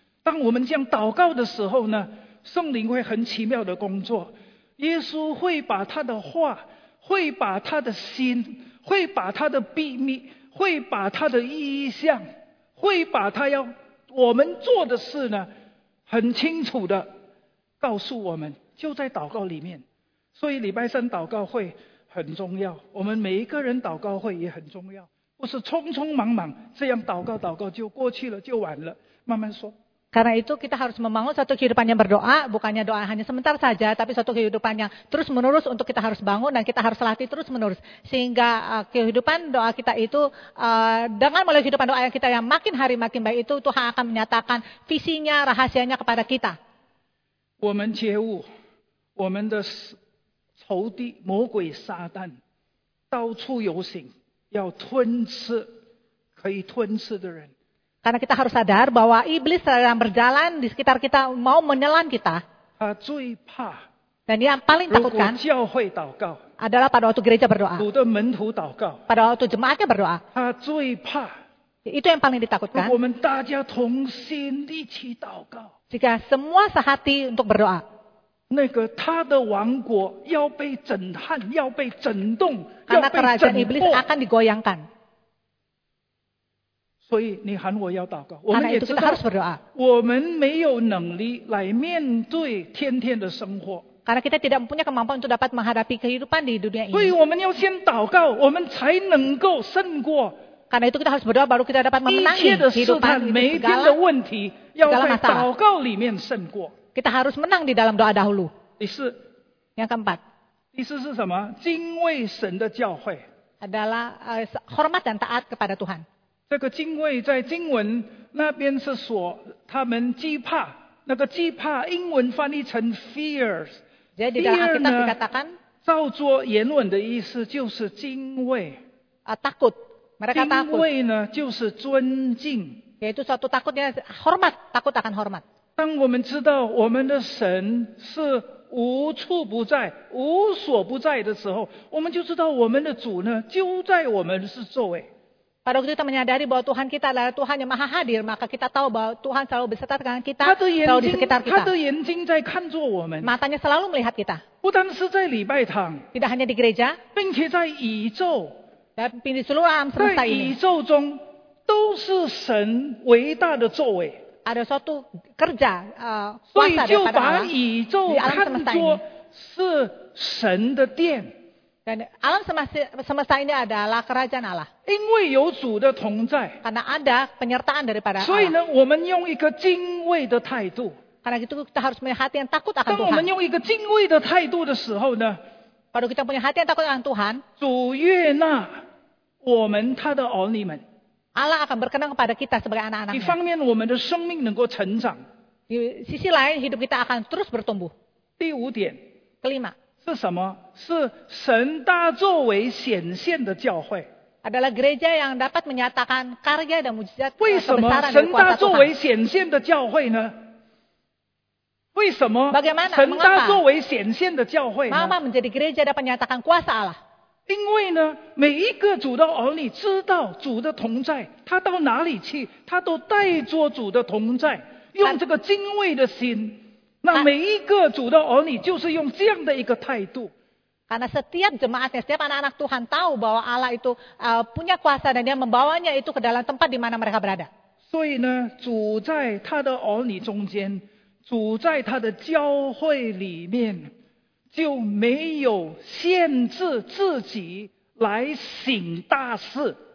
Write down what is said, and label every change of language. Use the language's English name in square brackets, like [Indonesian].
[Chinese] 当我们这样祷告的时候呢，圣灵会很奇妙的工作，耶稣会把他的话，会把他的心，会把他的秘密，会把他的意象，会把他要我们做的事呢，很清楚的告诉我们，就在祷告里面。所以礼拜三祷告会很重要，我们每一个人祷告会也很重要，不是匆匆忙忙这样祷告祷告就过去了就完了，慢慢说。 [Indonesian] Karena itu kita harus membangun satu kehidupan yang berdoa, bukannya doa hanya sementara saja, tapi satu kehidupan yang terus menerus untuk kita harus bangun, dan kita harus latih terus menerus sehingga kehidupan doa kita itu dengan melalui kehidupan doa kita yang makin hari makin baik itu, Tuhan akan menyatakan visinya, rahasianya kepada kita. [Chinese] 我们觉悟，我们的仇敌魔鬼撒旦到处游行，要吞吃可以吞吃的人。 [Indonesian] Karena kita harus sadar bahwa iblis sedang berjalan di sekitar kita mau menelan kita. [Chinese] 他最怕。 [Indonesian] Dan yang paling takutkan. [Chinese] 如果教会祷告。 [Indonesian] Adalah pada waktu gereja berdoa. [Chinese] 主的门徒祷告。 [Indonesian] Pada waktu jemaatnya berdoa. [Chinese] 他最怕。 [Indonesian] Itu yang paling ditakutkan. [Chinese] 我们大家同心一起祷告。 [Indonesian] Jika semua sehati untuk berdoa. [Chinese] 那个他的王国要被震撼，要被震动，要被震破。 [Indonesian] Iblis akan digoyangkan。 [Chinese] 所以你喊我要祷告，我们也知道，我们没有能力来面对天天的生活。 [Indonesian] Karena kita tidak mempunyai kemampuan untuk dapat menghadapi kehidupan di dunia ini。 [Chinese] 所以我们要先祷告，我们才能够胜过。 [Indonesian] Karena itu kita harus berdoa baru kita dapat memenangi kehidupan di dunia ini。 [Chinese] 一切的试探，每天的问题，要在祷告里面胜过。 [Indonesian] Kita harus menang di dalam doa dahulu。 [Chinese] 第四。 [Indonesian] Yang keempat。 [Chinese] 第四是什么？敬畏神的教会。 [Indonesian] Adalah hormat dan taat kepada Tuhan。 [Chinese] 这个敬畏在经文那边是说他们惧怕，那个惧怕英文翻译成 fears，在圣经里 [Indonesian] dikatakan， [Chinese] 照做原文的意思就是敬畏。 [Indonesian] Takut， mereka takut。 [Chinese] 敬畏呢就是尊敬。 [Indonesian] Yaitu suatu takutnya hormat， takut akan hormat。 [Chinese] 当我们知道我们的神是无处不在、无所不在的时候，我们就知道我们的主呢就在我们的周围。 [Indonesian] Pada waktu kita menyadari bahwa Tuhan kita adalah Tuhan yang maha hadir, maka kita tahu bahwa Tuhan selalu beserta dengan kita, selalu di sekitar kita. [Chinese] 他的眼睛在看着我们。 [Indonesian] Matanya selalu melihat kita. [Chinese] 不单是在礼拜堂。 [Indonesian] Tidak hanya di gereja. [Chinese] 并且在宇宙。 [Indonesian] Dan di seluruh alam semesta ini. [Chinese] 在宇宙中都是神伟大的作为。 [Indonesian] Ada suatu kerja, kuasa daripada Allah. [Chinese] 所以就把宇宙看作是神的殿。 [Indonesian] Dan alam semesta ini adalah kerajaan Allah. [Chinese] 因为有主的同在。 [Indonesian] Karena ada penyertaan daripada Allah. [Chinese] 所以呢，我们用一个敬畏的态度。 [Indonesian] Karena itu kita harus punya hati yang takut akan Tuhan. [Chinese] 当我们用一个敬畏的态度的时候呢， [Indonesian] pada kita punya hati yang takut akan Tuhan. [Chinese] 主悦纳我们他的儿女们。 [Indonesian] Allah akan berkenan kepada kita sebagai anak-anak. [Chinese] 一方面，我们的生命能够成长。 [Indonesian] Di sisi lain, hidup kita akan terus bertumbuh. [Chinese] 第五点。 [Indonesian] Kelima. [Chinese] 是什么？是神大作为显现的教会。 [Indonesian] Adalah gereja yang dapat menyatakan karya dan mujizat. [Chinese] 为什么神大作为显现的教会呢？为什么？ [Indonesian] Bagaimana? [Chinese] 神大作为显现的教会呢？ [Indonesian] Mama menjadi gereja dapat menyatakan kuasa Allah. [Chinese] 因为呢，每一个主的儿女知道主的同在，他到哪里去，他都带着主的同在，用这个敬畏的心。那每一个主的儿女就是用这样的一个态度。 [Indonesian] Karena setiap jemaatnya, setiap anak-anak Tuhan tahu bahwa Allah itu punya kuasa dan dia membawanya itu ke dalam tempat di mana mereka berada. [Chinese] 所以呢，主在他的儿女中间，主在他的教会里面，就没有限制自己来行大事。